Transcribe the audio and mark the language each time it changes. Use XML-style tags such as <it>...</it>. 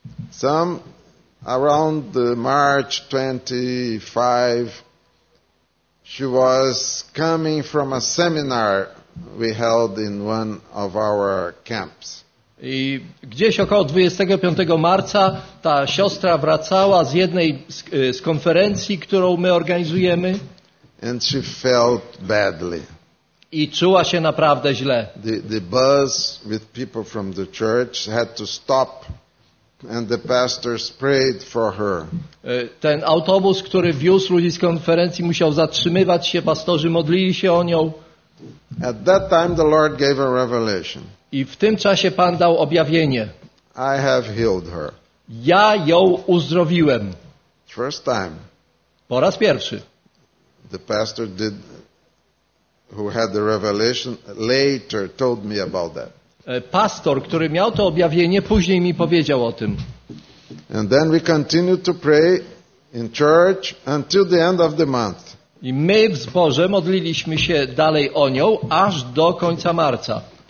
<en>Some around the March 25 she was coming from a seminar we held in one of our camps.</en> <pl>I gdzieś około 25 marca ta siostra wracała z jednej z konferencji, którą my organizujemy.</pl> <en>And she felt badly.</en> <pl>I czuła się naprawdę źle.</pl> <en>The buzz with people from the church had to stop. And the pastors prayed for her.</en> <pl>Ten autobus, który wiózł ludzi z konferencji, musiał zatrzymywać się. Pastorzy modlili się o nią.</pl> <en>At that time the Lord gave a revelation.</en> <pl>I w tym czasie Pan dał objawienie.</pl> <en>I have healed her.</en> <pl>Ja ją uzdrowiłem.</pl> <en>First time.</en> <pl>Po raz pierwszy.</pl> <en>The pastor did, who had the revelation, later told me about that.</en> <pl>Pastor, który miał to objawienie, później mi powiedział o tym.</pl> <en>And then we continued to pray in church until the end of the month.</en> <pl>I my w zborze modliliśmy się dalej o nią aż do końca marca.</pl>